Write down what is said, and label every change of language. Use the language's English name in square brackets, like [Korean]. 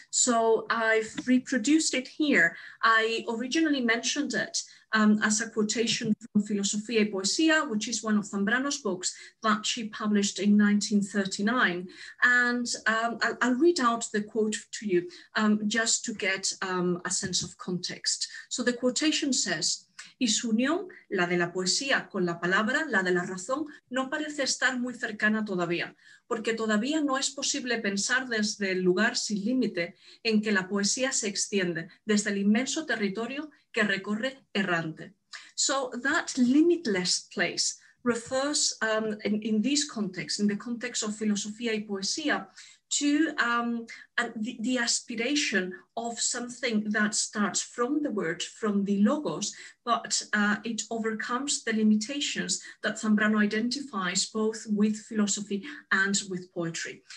[English] So I've reproduced it here. I originally mentioned it as a quotation from Filosofía y Poesía, which is one of Zambrano's books that she published in 1939. And I'll read out the quote to you just to get a sense of context. So the quotation says, [Spanish] y su unión, la de la poesía con la palabra, la de la razón, no parece estar muy cercana todavía, porque todavía no es posible pensar desde el lugar sin límite en que la poesía se extiende, desde el inmenso territorio que recorre errante. [English] So that limitless place refers, in this context, in the context of Filosofía y Poesía, to the aspiration of something that starts from the word, from the logos, but it overcomes the limitations that Zambrano identifies both with philosophy and with poetry.